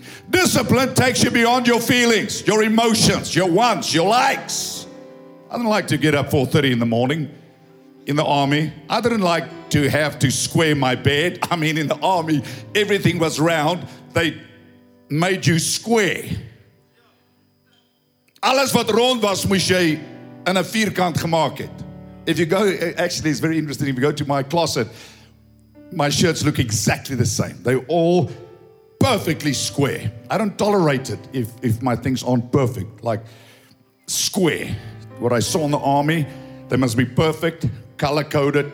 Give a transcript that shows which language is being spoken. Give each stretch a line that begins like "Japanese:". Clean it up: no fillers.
English: Discipline takes you beyond your feelings, your emotions, your wants, your likes. I don't like to get up 4:30 in the morning in the army. I didn't like to have to square my bed. I mean, in the army, everything was round. They made you square.
Afrikaans: Alles wat rond was, moes jy in 'n vierkant gemaak het.
English: If you go, actually, it's very interesting. If you go to my closet, my shirts look exactly the same. They all perfectly square. I don't tolerate it if my things aren't perfect, like square. What I saw in the army, they must be perfect, color-coded.